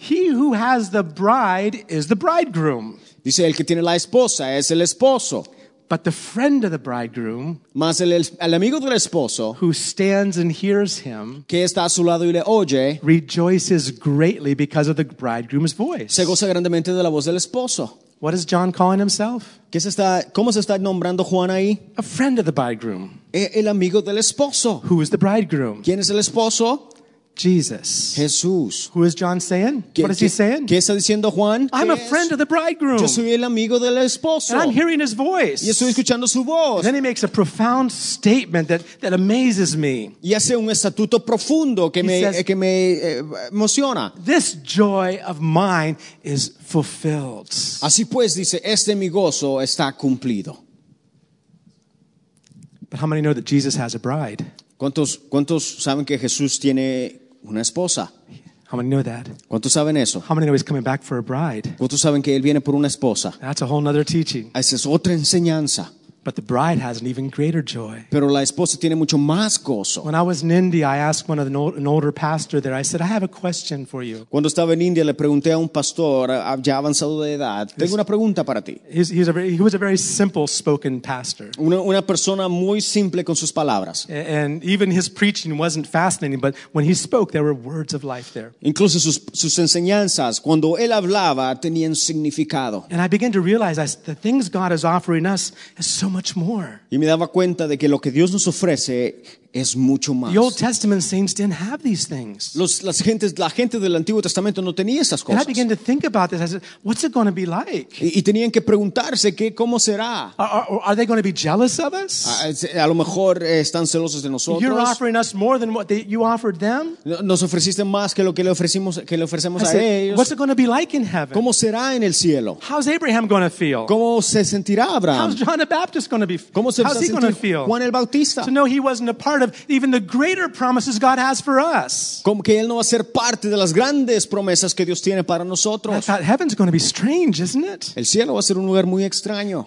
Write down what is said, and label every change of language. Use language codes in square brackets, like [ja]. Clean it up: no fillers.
[en] He who has the bride is the bridegroom. [es] Dice el que tiene la esposa es el esposo. [en] But the friend of the bridegroom, [es] mas el amigo del esposo, [en] who stands and hears him, [es] que está a su lado y le oye, [en] rejoices greatly because of the bridegroom's voice. [es] Se goza grandemente de la voz del esposo. [en] What is John calling himself? [es] ¿Cómo se está nombrando Juan ahí? [en] A friend of the bridegroom. [es] El amigo del esposo. [en] Who is the bridegroom? [es] ¿Quién es el esposo? [en] Jesus. [es] Jesús. [en] Who is John saying? What is he saying? [es] ¿Qué está diciendo Juan? [en] I'm a friend of the bridegroom. [es] Yo soy el amigo del esposo. [en] And I'm hearing his voice. [es] Y estoy escuchando su voz. [en] Then he makes a profound statement that amazes me. [es] Y hace un estatuto profundo que me emociona. [en] This joy of mine is fulfilled. [es] Así pues, dice, este mi gozo está cumplido. [en] But how many know that Jesus has a bride? [es] ¿Cuántos saben que Jesús tiene una esposa? [en] How many know that? [es] ¿Cuántos saben eso? [en] How many know he's coming back for a bride? [es] ¿Cuántos saben que él viene por una esposa? [en] That's a whole nother teaching. [es] Esa es otra enseñanza. [en] But the bride has an even greater joy. [es] Pero la esposa tiene mucho más gozo. [en] When I was in India, I asked one of an older pastor there. I said, "I have a question for you." [es] Cuando estaba en India, le pregunté a un pastor ya avanzado de edad. Tengo una pregunta para ti. [en] He was a very simple-spoken pastor. [es] Una persona muy simple con sus palabras. [en] And even his preaching wasn't fascinating, but when he spoke, there were words of life there. [es] Incluso sus enseñanzas cuando él hablaba tenían significado. [en] And I began to realize the things God is offering us is so much more. [es] Y me daba cuenta de que lo que Dios nos ofrece es mucho más. [en] The Old Testament saints didn't have these things. [es] La gente del Antiguo Testamento no tenía esas cosas. [en] And I began to think about this. I said, "What's it going to be like?" [es] Y tenían que preguntarse qué, cómo será. [en] Are they going to be jealous of us? [es] A lo mejor están celosos de nosotros. [en] You're offering us more than what you offered them. [es] Nos ofreciste más que lo que le ofrecemos [en] said, [es] a ellos. [en] What's it going to be like in heaven? [es] ¿Cómo será en el cielo? [en] How's Abraham going to feel? [es] ¿Cómo se sentirá Abraham? [en] How's John the Baptist going to be? [es] ¿Cómo se [en] How's he going to feel? [es] Juan el Bautista. [en] To know he wasn't a part of even the greater promises God has for us. [es] Como que él no va a ser parte de las grandes promesas que Dios tiene para nosotros. [en] I thought heaven's going to be strange, isn't it? [es] El cielo va a ser un lugar muy extraño.